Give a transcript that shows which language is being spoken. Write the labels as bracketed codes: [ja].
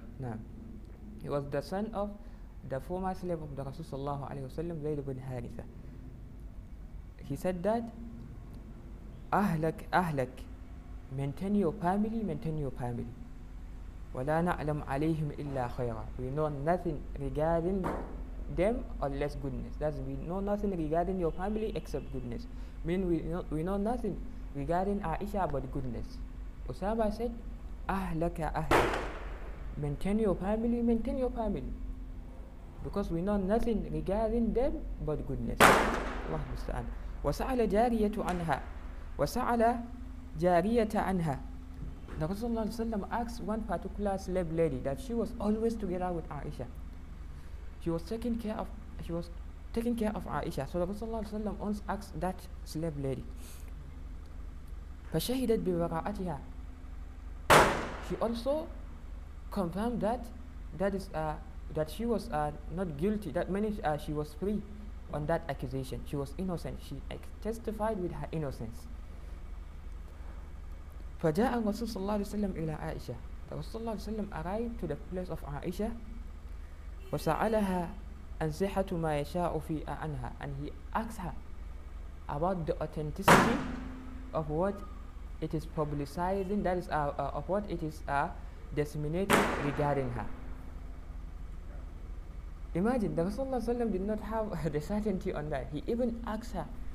[ar] نعم. [en] He was the son of the former slave of the Rasul صلى الله عليه وسلم زيد بن حارثة. He said that [ar] أهلك أهلك [en] maintain your family [ar] ولا نعلم عليهم إلا خيرا. [en] We know nothing regarding them unless goodness. That's we know nothing regarding your family except goodness. Mean we know nothing regarding Aisha but goodness. Usama said, [ar] أهلك أهلك. [en] Maintain your family. Because we know nothing regarding them but goodness. [ar] الله المستعان. وسأل جارية عنها. [en] The Rasulullah sallam asked one particular slave lady that she was always together with Aisha. She was taking care of Aisha. So the Rasulullah sallam once asked that slave lady. [ar] فشهدت ببراءتها. [en] She also confirmed that she was not guilty. That means she was free on that accusation. She was innocent. She testified with her innocence. [ar] فجاء الرسول صلى الله عليه وسلم إلى عائشة. [en] The Rasul صلى الله عليه وسلم arrived to the place of Aisha. [ar] وسألها عن صحة ما يشاء في عنها. [en] And he asked her about the authenticity of what it is publicizing, that is of what it is disseminating regarding her. Imagine, the Rasul صلى الله عليه وسلم did not have the certainty on that. He even asked her.